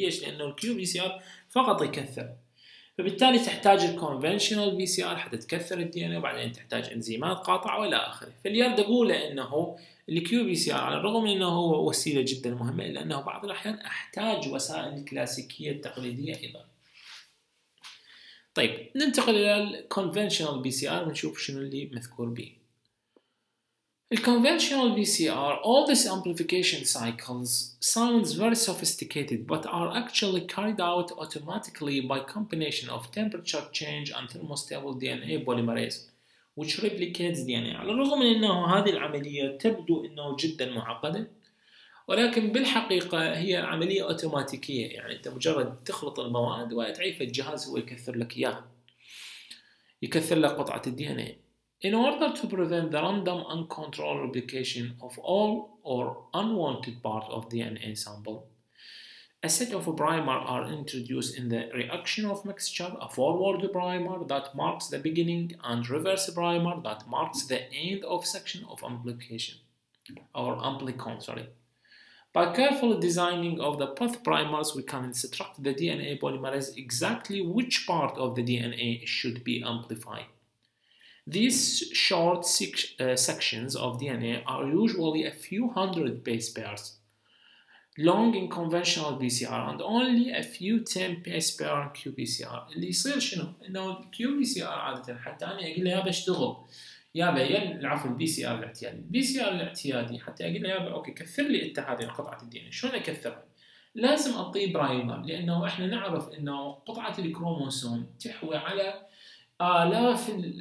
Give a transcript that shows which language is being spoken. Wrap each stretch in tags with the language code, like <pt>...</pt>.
<ar>ليش؟ لانه الكيو بي سي ار فقط يكثر، فبالتالي تحتاج الكونفنشنال بي سي ار حتى تكثر الدي ان اي، وبعدين تحتاج انزيمات قاطعه والى اخره. فاليرد اقوله انه الكيو بي سي ار على الرغم انه هو وسيله جدا مهمه، الا انه بعض الاحيان احتاج وسائل كلاسيكيه تقليديه ايضا. طيب ننتقل الى الكونفنشنال بي سي ار ونشوف شنو اللي مذكور به.</ar> <en>الكونفنشنال P C R, all this amplification cycles sounds very sophisticated but are actually carried out automatically by combination of temperature change and thermostable DNA polymerase which replicates DNA.</en> <ar>على الرغم من انه هذه العمليه تبدو انه جدا معقده، ولكن بالحقيقة هي عملية أوتوماتيكية، يعني أنت مجرد تخلط المواد وتعيف الجهاز هو يكثر لك إياها، يكثر لك قطعة الدي إن إيه.</ar> <en>In order to prevent the random uncontrolled replication of all or unwanted part of DNA sample, a set of primers are introduced in the reaction of mixture, a forward primer that marks the beginning and reverse primer that marks the end of section of amplification or amplicon, sorry. By careful designing of the path primers, we can instruct the DNA polymerase exactly which part of the DNA should be amplified. These short sections of DNA are usually a few hundred base pairs long in conventional PCR and only a few 10 base pair in qPCR.</en> <ar>اللي يصير شنو؟ انه qPCR عادة حتى انا اقول له يابا اشتغل يابا العفو PCR الاعتيادي، PCR الاعتيادي حتى اقول له يابا اوكي كثر لي انت هذه قطعه الدي ان اي، شلون اكثرها؟ لازم اعطيه برايمر لانه احنا نعرف انه قطعه الكروموسوم تحوي على الاف</ar>